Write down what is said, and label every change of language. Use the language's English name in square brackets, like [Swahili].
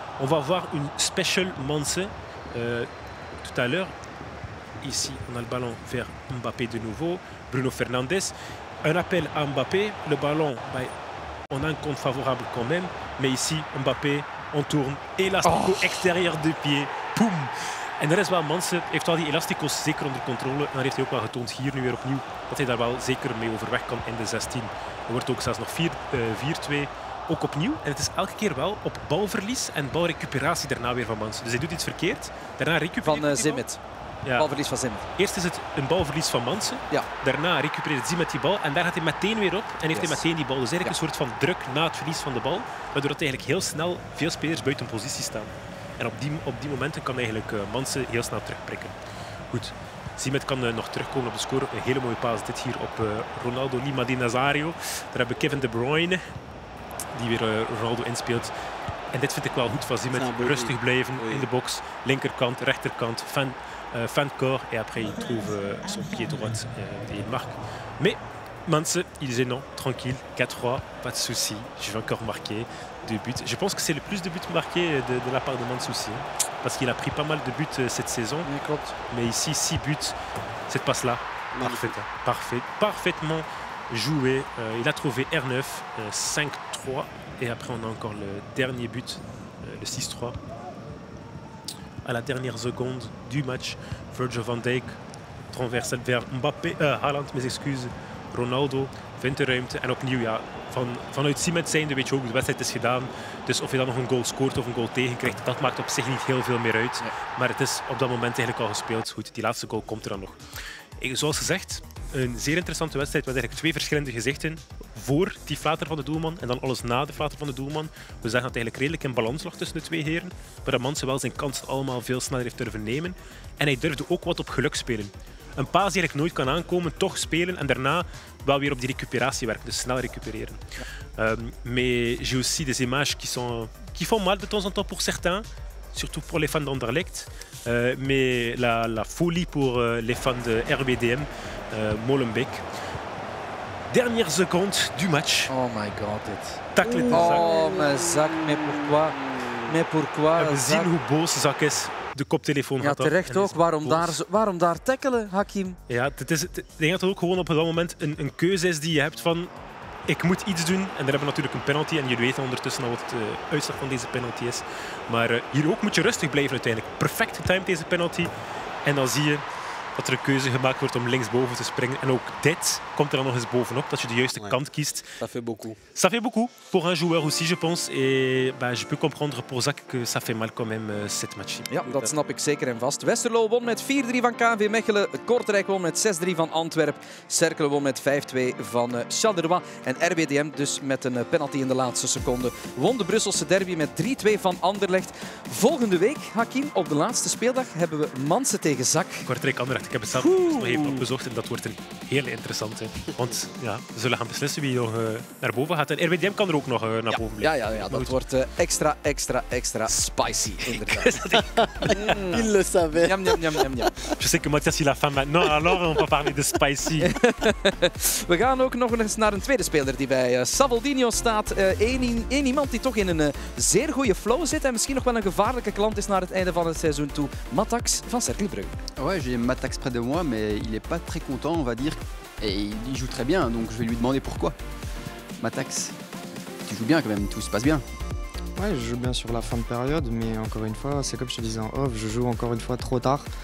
[French] On va voir une special Mansi tout à l'heure. Ici, on a le ballon vers Mbappé de nouveau. Bruno Fernandes. Un appel à Mbappé. Le ballon, ben, on a un compte favorable quand même. Mais ici, Mbappé, on tourne. Élastico extérieur de pied. Poum! [Dutch] En dat is wel, Mansi heeft al die elastico's zeker onder controle. En dan heeft hij ook wel getoond, hier nu weer opnieuw, dat hij daar wel zeker mee overweg kan in de 16. Er wordt ook zelfs nog 4-2 ook opnieuw. En het is elke keer wel op balverlies en balrecuperatie daarna weer van Mansi. Dus hij doet iets verkeerd, daarna recupereert van Zimet. Ja. Balverlies van Zimet. Eerst is het een balverlies van Mansi. Ja. Daarna recupereert Zimet die bal en daar gaat hij meteen weer op. En heeft hij meteen die bal. Dus eigenlijk een soort van druk na het verlies van de bal, waardoor het eigenlijk heel snel veel spelers buiten positie staan. En op die momenten kan eigenlijk Mansi heel snel terugprikken. Goed, Zimet kan nog terugkomen op de score. Een hele mooie paas dit hier op Ronaldo Lima Di Nazario. Daar hebben we Kevin De Bruyne, die weer Ronaldo inspeelt. En dit vind ik wel goed van Zimet. Rustig blijven in de box. Linkerkant, rechterkant, fan de corps. [French] En après, il trouve son pied droit et il marque. Mais Mansi, il dit non, tranquille, 4-3, pas de souci. Je vais encore marquer. De buts. Je pense que c'est le plus de buts marqués de la part de Mansi aussi. Hein. Parce qu'il a pris pas mal de buts cette saison. Oui, quand. Mais ici, 6 buts. Cette passe-là, parfaite. Hein. Parfaitement joué. Il a trouvé R9, 5-3. Et après, on a encore le dernier but, le 6-3. À la dernière seconde du match, Virgil van Dijk traverse vers Mbappé. [Dutch] Haaland, [French] mes excuses. [Dutch] Ronaldo vindt de ruimte. En opnieuw, ja. Vanuit Zimet zijnde weet je ook, de wedstrijd is gedaan. Dus of je dan nog een goal scoort of een goal tegenkrijgt, dat maakt op zich niet heel veel meer uit. Nee. Maar het is op dat moment eigenlijk al gespeeld. Goed, die laatste goal komt er dan nog. Zoals gezegd, een zeer interessante wedstrijd met eigenlijk twee verschillende gezichten. Voor die flater van de doelman en dan alles na de flater van de doelman. We zagen dat eigenlijk redelijk in balans lag tussen de twee heren. Maar dat Mansi wel zijn kansen allemaal veel sneller heeft durven nemen. En hij durfde ook wat op geluk spelen. Een paas die eigenlijk nooit kan aankomen, toch spelen en daarna wel weer op die recuperatie werken, dus snel recupereren. Maar ik zie ook [French] des images die font mal de temps en temps pour certains, surtout pour les fans d'Anderlecht, mais la folie pour les fans de RWDM, Molenbeek. Dernière seconde du match. [English] Oh my god, [Dutch] dit. [French] Tacle de Zak. Oh, mais Zak, mais pourquoi? Mais pourquoi? [Dutch] We zien hoe boos Zak is. De koptelefoon gaat af. Ja, terecht ook. Waarom daar tackelen, Hakim? Ja, ik denk dat het ook gewoon op dat moment een keuze is die je hebt van ik moet iets doen. En daar hebben we natuurlijk een penalty. En jullie weten ondertussen al wat de uitslag van deze penalty is. Maar hier ook moet je rustig blijven uiteindelijk. Perfect getimed deze penalty. En dan zie je dat er een keuze gemaakt wordt om linksboven te springen. En ook dit komt er dan nog eens bovenop, dat je de juiste kant kiest. [French] Ça fait beaucoup. Ça fait beaucoup pour un joueur aussi, je pense. Et ben, je peux comprendre pour Zak que ça fait mal quand même cette match. [Dutch] Ja, dat snap ik zeker en vast. Westerlo won met 4-3 van KV Mechelen. Kortrijk won met 6-3 van Antwerp. Cercle won met 5-2 van Charleroi. En RWDM dus met een penalty in de laatste seconde. Won de Brusselse derby met 3-2 van Anderlecht. Volgende week, Hakim, op de laatste speeldag, hebben we Mansen tegen Zak. Kortrijk-Anderlecht. Ik heb het zelf nog even opgezocht en dat wordt een heel interessant. Hè. Want ja, we zullen gaan beslissen wie nog naar boven gaat. En RWDM kan er ook nog naar boven blijven. Ja, dat wordt extra spicy, inderdaad. [French] Il le savait. Je sais que Mathias il a faim maintenant, alors on va parler de spicy. [Dutch] We gaan ook nog eens naar een tweede speler die bij Savoldino staat. Eén iemand die toch in een zeer goede flow zit en misschien nog wel een gevaarlijke klant is naar het einde van het seizoen toe. Matax van Cercle Brugge. [French] Ouais, Attaque près de moi, mais il n'est pas très content, on va dire. Et il joue très bien, donc je vais lui demander pourquoi. Matax, tu joues bien quand même, tout se passe bien. Ouais, je joue bien sur la fin de période, mais encore une fois, c'est comme je te disais en off, je joue encore une fois trop tard.